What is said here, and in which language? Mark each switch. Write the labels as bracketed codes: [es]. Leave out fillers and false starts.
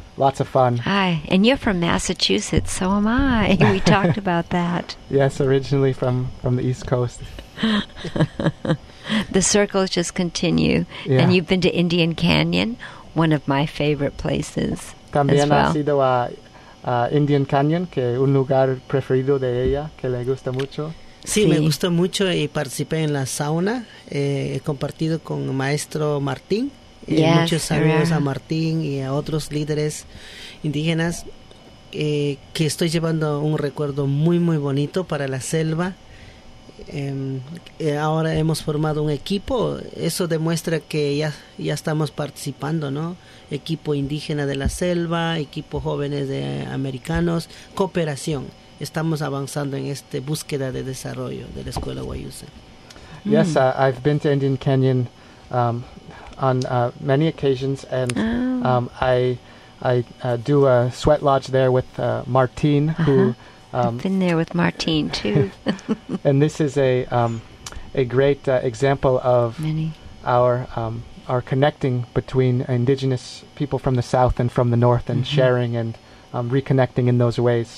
[en] Lots of fun. Hi, and you're from Massachusetts, so am I. We talked about that. Yes, originally from the East Coast. The circles just continue. Yeah. And you've been to Indian Canyon, one of my favorite places. [es] También [en] as well. [es] Ha sido a Indian Canyon, que un lugar preferido de ella, que le gusta mucho. Sí, me gustó mucho y participé en la sauna. He compartido con Maestro Martín. [en] Yes, [es] muchos saludos a Martín y a otros líderes indígenas, que estoy llevando un recuerdo muy, muy bonito para la selva. Ahora hemos formado un equipo. Eso demuestra que ya estamos participando, ¿no? Equipo indígena de la selva, equipo jóvenes de americanos, cooperación. Estamos avanzando en esta búsqueda de desarrollo de la Escuela Wayusa. [en] Yes, I've been to Indian Canyon on many occasions, and I do a sweat lodge there with Martin, who I've been there with Martin too. And this is a great example of our connecting between indigenous people from the south and from the north, and sharing and reconnecting in those ways.